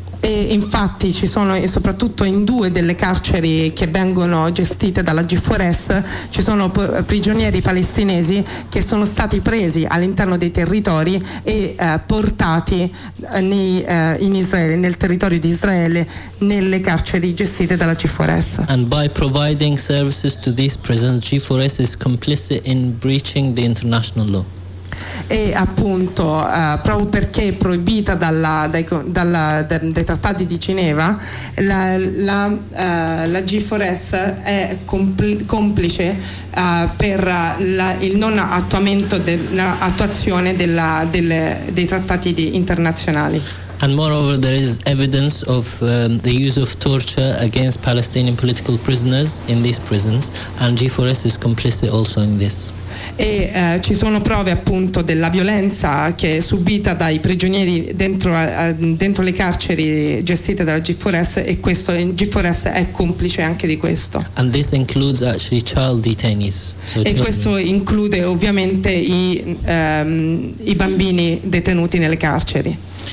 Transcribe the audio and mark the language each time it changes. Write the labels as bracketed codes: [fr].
[it] E infatti ci sono, e soprattutto in due delle carceri che vengono gestite dalla G4S, ci sono prigionieri palestinesi che sono stati presi all'interno dei territori e portati in Israele, nel territorio di Israele, nelle carceri gestite dalla G4S. [en] And by providing services to these prisons, G4S is complicit in breaching the international law. [it] E appunto proprio perché è proibita dai trattati di Ginevra, la G4S è complice per il non attuamento dell'attuazione dei trattati internazionali. [en] And moreover, there is evidence of the use of torture against Palestinian political prisoners in these prisons, and G4S is complicit also in this. [it] E ci sono prove appunto della violenza che è subita dai prigionieri dentro le carceri gestite dalla G4S, e questo G4S è complice anche di questo. [en] And this includes actually child detainees. So e children. [it] Questo include ovviamente i bambini detenuti nelle carceri.